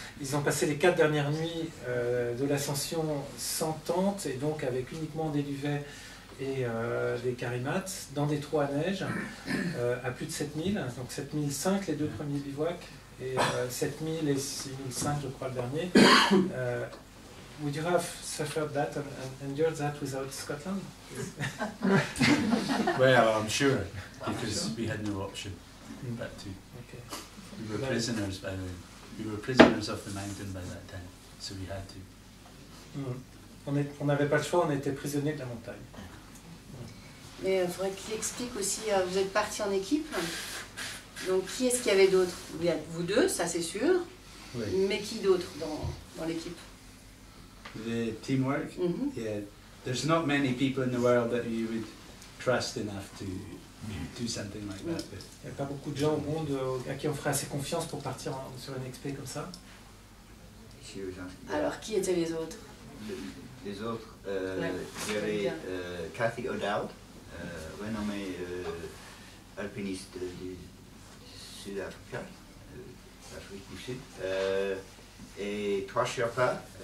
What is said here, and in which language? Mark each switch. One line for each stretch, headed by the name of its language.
French: Ils ont passé les 4 dernières nuits de l'ascension sans tente et donc avec uniquement des duvets et des carimates dans des trous à neige à plus de 7000, donc 7005 les deux premiers bivouacs et 7000 et 6005 je crois le dernier.
English: Would you have suffered that and endured that without Scotland? Well, I'm sure, because we had no option but to. Okay. We were prisoners, by the way. We were prisoners of the mountain by that time, so we had to.
French: On n'avait pas le choix, on était prisonniers de la montagne. Mais il faudrait qu'il explique aussi, vous êtes partis en équipe, Donc, qui est-ce qu'il y avait d'autre? Il y a vous deux, ça c'est sûr. Oui. Mais qui d'autre dans l'équipe?
English: The teamwork. Mm-hmm. Yeah. There's not many people in the world that you would trust enough to do something like that.
French: Il n'y a pas beaucoup de gens au monde à qui on ferait assez confiance pour partir sur une expé comme ça. Alors, qui étaient les autres? Les autres, il y avait Cathy O'Dowd, renommée alpiniste du Sud-Africa, Afrique du Sud, et trois Sherpas.